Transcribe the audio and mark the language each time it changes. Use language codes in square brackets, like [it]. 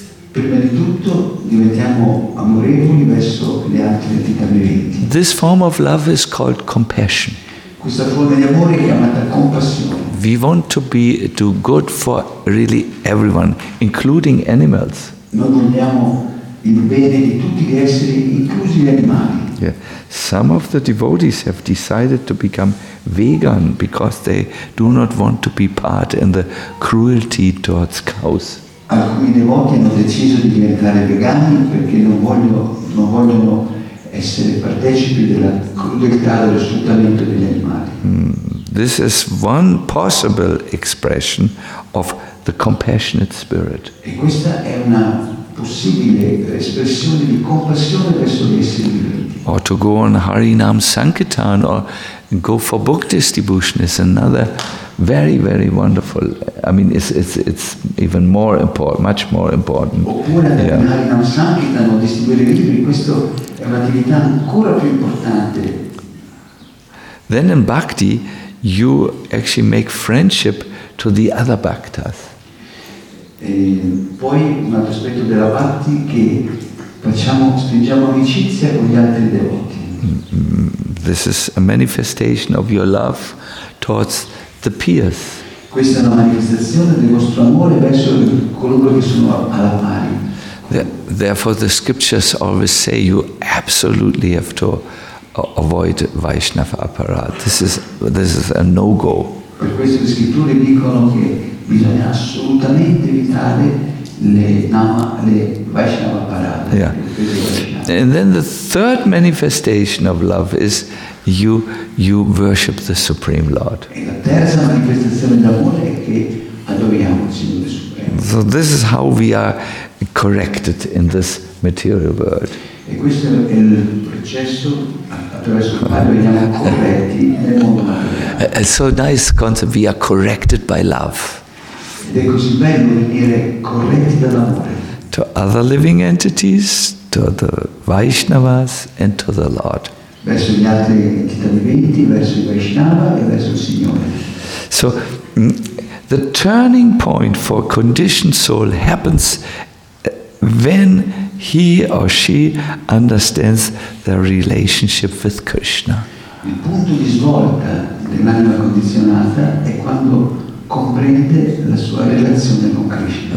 [it] Prima di tutto diventiamo amorevoli verso le altre entità viventi. [en] This form of love is called compassion. [it] Questa forma di amore è chiamata compassione. [en] We want to be do good for really everyone, including animals. [it] Noi vogliamo il bene di tutti gli esseri, inclusi gli animali. Yeah. [en] Some of the devotees have decided to become vegan because they do not want to be part in the cruelty towards cows. [it] Alcuni devoti hanno deciso di diventare vegani perché non vogliono essere partecipi della crudeltà dello sfruttamento degli animali. [en] This is one possible expression of the compassionate spirit. [it] E questa è una possibile espressione di compassione verso gli esseri viventi. [en] Or to go on Harinam Sankirtan or go for book distribution is another very, very wonderful. I mean, it's even more important, much more important. [it] Oppure ad Harinam Sankirtan o distribuire libri, questo è un'attività ancora più importante. [en] Then in bhakti, you actually make friendship to the other bhaktas. [it] Poi un altro aspetto della bhakti che facciamo, stringiamo amicizia con gli altri devoti. [en] This is a manifestation of your love towards the peers. [it] Questa è una manifestazione del vostro amore verso coloro che sono alla pari. [en] Therefore the scriptures always say you absolutely have to avoid Vaishnava aparad. This is a no-go. [it] Per questo le scritture dicono che bisogna assolutamente evitare le Vaishnava aparad. Yeah. [en] And then the third manifestation of love is you worship the Supreme Lord. [it] E la terza manifestazione d'amore è che adoriamo il Signore Supremo. [en] So this is how we are corrected in this material world. [it] E questo è il processo attraverso cui veniamo corretti. [en] It's so nice concept, we are corrected by love. [it] Ed è così bello dire corretti dall'amore. [en] To other living entities, to the Vaishnavas and to the Lord. [it] Verso gli altri entità viventi, verso il Vaishnava e verso il Signore. [en] So the turning point for conditioned soul happens when he or she understands their relationship with Krishna. [it] Il punto di svolta dell'anima condizionata è quando comprende la sua relazione con Krishna.